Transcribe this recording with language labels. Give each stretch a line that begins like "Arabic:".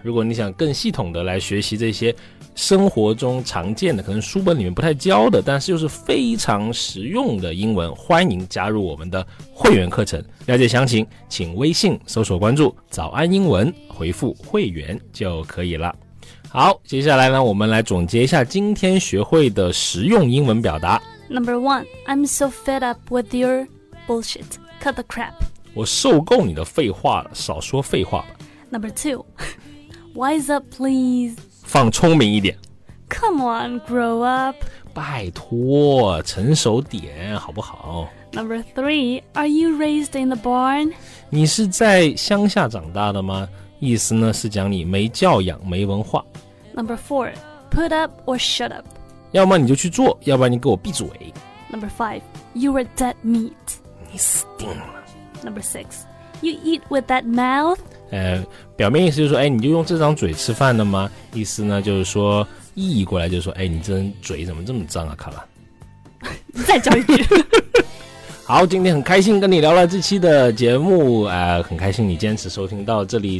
Chinese: 如果你想更系统的来学习这些生活中常见的，可能书本里面不太教的，但是又是非常实用的英文，欢迎加入我们的会员课程。了解详情请微信搜索关注早安英文，回复会员就可以了。好，接下来呢我们来总结一下今天学会的实用英文表达。
English: Number one, I'm so fed up with your bullshit, cut the crap.
Chinese: 我受够你的废话了，少说废话吧。
English: Number two, wise up please.
Chinese: 放聪明一点。
English: Come on, grow up.
Chinese: 拜托，成熟点好不好。
English: Number three, are you raised in the barn?
Chinese: 你是在乡下长大的吗？意思呢是讲你没教养没文化。
English: Number four, put up or shut up.
Chinese: 要么你就去做，要不然你给我闭嘴。
English: Number five, you are dead meat.
Chinese: 你死定了。 Number six, you eat with that mouth. 表面意思就是说，哎，你就用这张嘴吃饭的吗？意思呢就是说，意义过来就是说，哎，你这嘴怎么这么脏啊，卡拉？再讲一句。好，今天很开心跟你聊了这期的节目，很开心你坚持收听到这里。